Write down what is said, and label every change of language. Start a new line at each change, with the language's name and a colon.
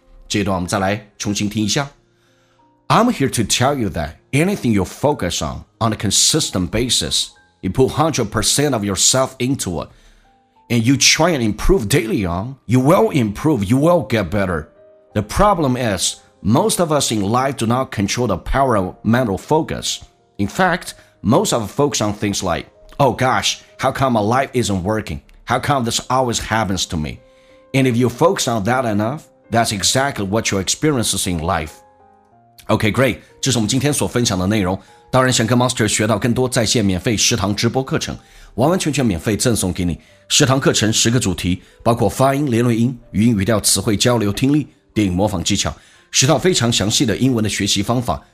Chinese: 这段我们再来重新听一下。
English: I'm here to tell you that anything you focus on a consistent basis, you put 100% of yourself into it, and you try and improve daily on, you will improve, you will get better. The problem is, most of us in life do not control the power of mental focus. In fact, most of us focus on things like, Oh gosh, how come my life isn't working? How come this always happens to me? And if you focus on that enough, that's exactly what your experience is in life. Okay, great.
Chinese: 这是我们今天所分享的内容。当然想跟 Master 学到更多在线免费食堂直播课程，完完全全免费赠送给你。食堂课程十个主题，包括发音、连轮音、语音语调、词汇交流、听力、电影模仿技巧，十套非常详细的英文的学习方法。